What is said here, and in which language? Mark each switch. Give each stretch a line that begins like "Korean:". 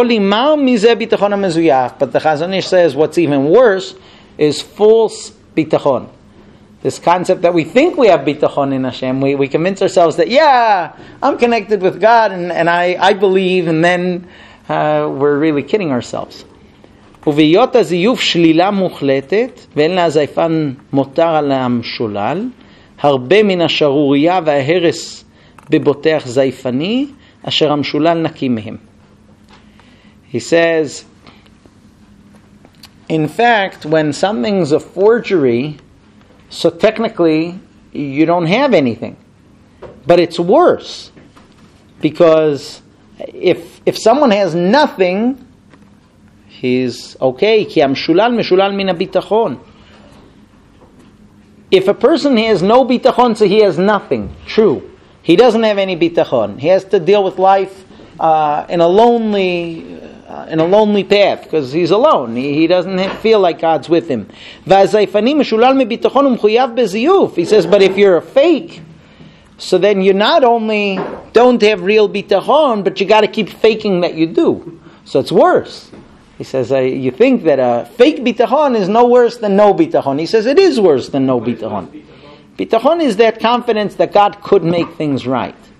English: But the Chazon Ish says what's even worse is false bitachon. This concept that we think we have bitachon in Hashem, we convince ourselves that, yeah, I'm connected with God and I believe, and then we're really kidding ourselves.
Hebrew: וביות הזיוף שלילה מוחלטת, ואין לה זייפן מותר על המשולל, הרבה מן השרוריה וההרס בבוטח זייפני, אשר המשולל נקי מהם.
English: He says, in fact, when something's a forgery, so technically, you don't have anything. But it's worse. Because if someone has nothing, he's okay.
Hebrew: כי המשולל משולל מן הביטחון.
English: If a person has no bitachon, so he has nothing. True. He doesn't have any bitachon. He has to deal with life in a lonely path, because he's alone. He doesn't feel like God's with him.
Hebrew: והזייפני משולל מביטחון ומחויב בזיוף.
English: He says, but if you're a fake, so then you not only don't have real bitachon, but you got to keep faking that you do. So it's worse. He says, you think that a fake bitachon is no worse than no bitachon. He says, it is worse than no bitachon. Bitachon is that confidence that God could make things right.